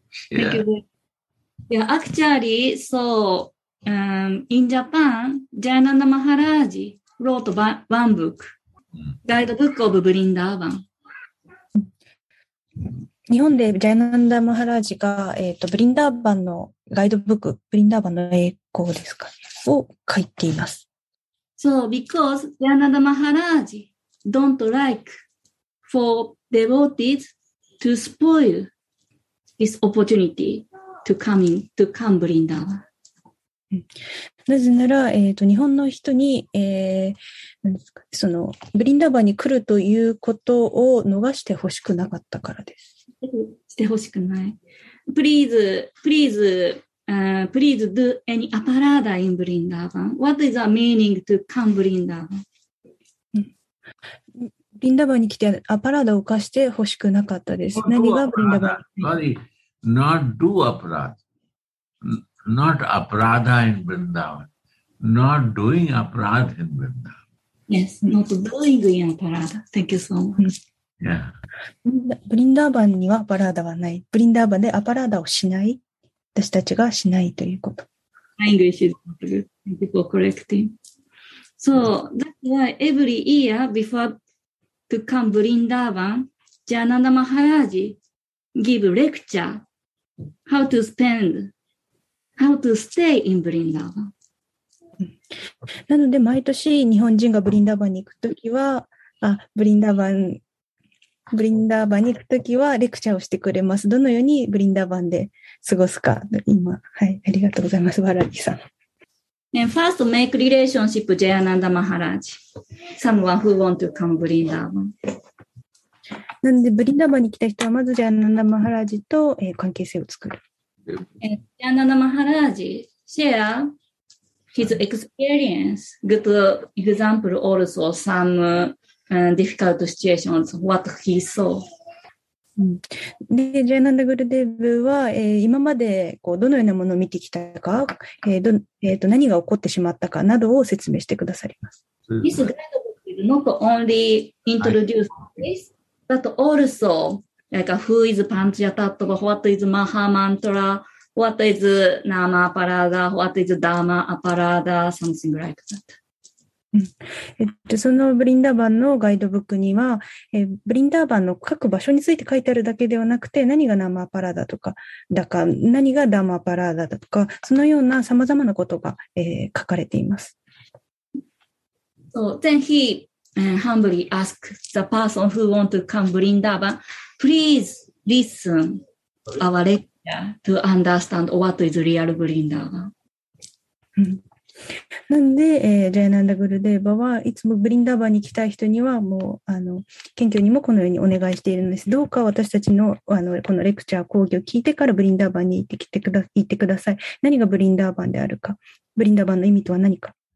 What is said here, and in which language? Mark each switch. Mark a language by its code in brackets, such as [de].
[en] Thank you. Yeah, actually, so, in Japan, Jayananda Maharajwrote one book, Guidebook of Vrindavan. [ja] 日本でジャイナンダマハラージが、ブリンダーバンのガイドブック、ブリンダーバンの栄光ですか、を書いています。 [en] So, because ジャイナンダマハラージ don't like for devotees to spoil this opportunity to come in, to come Vrindavan. [ja] なぜなら、日本の人に、ですか、そのブリンダーバンに来るということを逃してほしくなかったからです。してほしくない。 [en] Please, please, please do any aparada in Vrindavan. What is the meaning to come Vrindavan? [ja] ブリンダーバンに来てアパラーダを犯してほしくなかったです。何がブリンダーバン？ [en] Not do aparada. Not aparada in Vrindavan. Not doing aparada in Vrindavan. Yes, not doing in aparada. Thank you so much. Yeah. [ja] Vrindavan にはアパラーダはない。Vrindavan でアパラーダをしない。私たちがしないということ。 [en] My English is not good. Thank you for correcting. So, that's why every year before to come Vrindavan, Jayananda Maharaj give lecture how to spendHow to stay in Vrindavan. [ja] なので毎年日本人がブリンダーバンに行くときは、ブリンダーバンに行くときはレクチャーをしてくれます。どのようにブリンダーバンで過ごすか。今、はい、ありがとうございます、ワラリさん。 [en] And first make relationship Jayananda Maharaj. Someone who want to come Vrindavan. [ja] なのでブリンダーバンに来た人はまずJayananda Maharajと、関係性を作る。 [en] Jayananda Maharaj share his experience, good example also, some difficult situations, what he saw. [ja] で、ジャイナンダグルデブは、今までこうどのようなものを見てきたか、何が起こってしまったかなどを説明してくださります。 [en] This guidebook is not only introduced this, but also like who is Panchayatattva, what is Mahamantra, what is Nama Aparada, what is Dharma Aparada, something like that. [ja] そのブリンダーバンのガイドブックには、ブリンダーバンの各場所について書いてあるだけではなくて、何がナーマーパラーダとか、だか何がダーマーパラーダだとか、そのようなさまざまなことが、書かれています。 [en] So, then he humbly asked the person who want to come Vrindavan, please listen our lecture to understand what is real Vrindavan. [ja] なんで、ジャイナンダグルデーバはいつもブリンダーバに来たい人にはもう謙虚にもこのようにお願いしているんです。どうか私たち の, このレクチャー講義を聞いてからブリンダーバに行 っ, てくだ行ってください。何がブリンダーバであるか、ブリンダーバの意味とは何か。